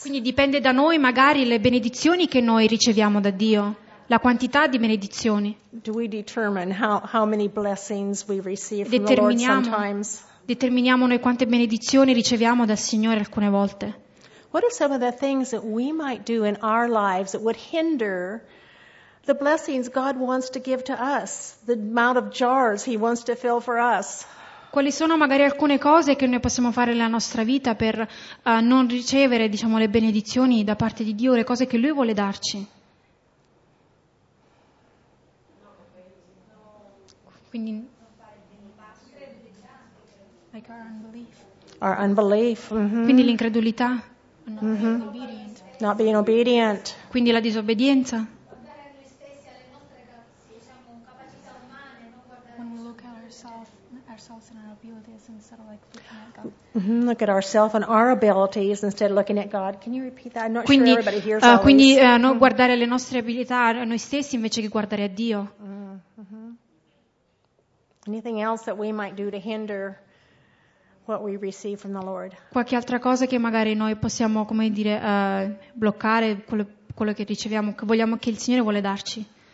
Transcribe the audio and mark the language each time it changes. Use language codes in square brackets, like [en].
[it] Quindi dipende da noi magari le benedizioni che noi riceviamo da Dio, la quantità di benedizioni. [en] Do we determine how many blessings we receive from the Lord sometimes? [it] Determiniamo noi quante benedizioni riceviamo dal Signore alcune volte. [en] What are some of the things that we might do in our lives that would hinder the blessings God wants to give to us, the amount of jars He wants to fill for us? [it] Quali sono magari alcune cose che noi possiamo fare nella nostra vita per non ricevere, diciamo, le benedizioni da parte di Dio, le cose che Lui vuole darci? Quindi, [en] like our unbelief. Our unbelief. Mm-hmm. [it] Quindi l'incredulità. Mm-hmm. [en] Not being obedient. [it] Quindi la disobbedienza. [en] When we look at ourselves and our abilities instead of like looking at God. Mm-hmm. Look at ourselves and our abilities instead of looking at God. Can you repeat that? I'm not [it] quindi, [en] sure everybody hears all. [it] Quindi non guardare le nostre abilità a noi stessi invece che guardare a Dio. Mm-hmm. [en] Anything else that we might do to hinder what we receive from the Lord? [it] Qualche altra cosa che magari noi possiamo, come dire, bloccare quello che riceviamo, che vogliamo, che il Signore vuole darci?